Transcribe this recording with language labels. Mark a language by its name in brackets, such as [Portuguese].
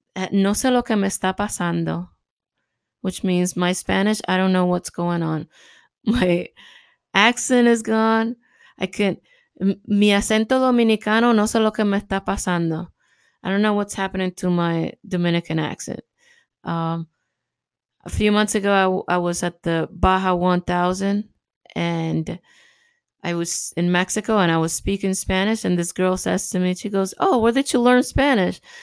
[Spanish] No sé lo que me está pasando. [English] Which means my Spanish, I don't know what's going on. My accent is gone. I can't... [Spanish] Mi acento dominicano, no sé lo que me está pasando. [English] I don't know what's happening to my Dominican accent. A few months ago, I was at the Baja 1000 and I was in Mexico and I was speaking Spanish and this girl says to me, she goes, oh, where did you learn Spanish?